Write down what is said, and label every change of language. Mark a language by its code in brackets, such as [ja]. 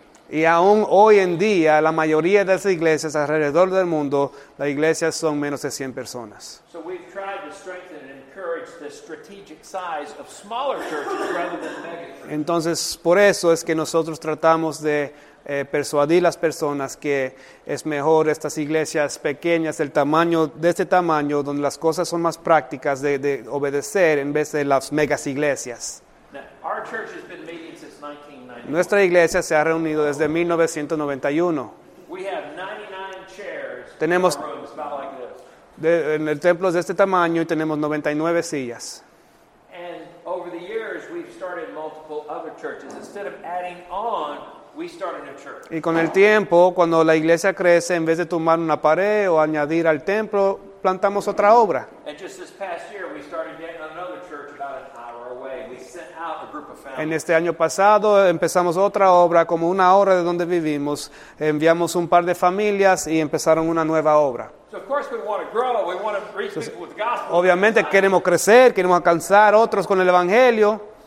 [es] Y aún hoy en día, la mayoría de las iglesias alrededor del mundo, las iglesias son menos de 100 personas. [en] So we've tried to strengthen and encourage the strategic size of smaller churches rather than megachurches. [es] Entonces, por eso es que nosotros tratamos de persuadir las personas que es mejor estas iglesias pequeñas, el tamaño de este tamaño, donde las cosas son más prácticas de obedecer en vez de las megas iglesias. [en] Now, our church has been meeting since 1991. [es] Nuestra iglesia se ha reunido desde 1991. [en] We have 99 chairs. [es] Tenemos [en] in our rooms, about like this. [es] En el templo es de este tamaño y tenemos 99 sillas. [en] And over the years we've started multiple other churches. Instead of adding on, we start a new church. [es] Y con el tiempo, cuando la iglesia crece, en vez de tomar una pared o añadir al templo, plantamos otra obra. [en] And just this past year, we started yet another church about an hour away. We sent out a group of families. [es] En este año pasado, empezamos otra obra como una hora de donde vivimos. Enviamos un par de familias y empezaron una nueva obra. [en] So of course we want to grow. We want to reach people with the gospel. [es] Obviamente queremos crecer, queremos alcanzar otros con el evangelio.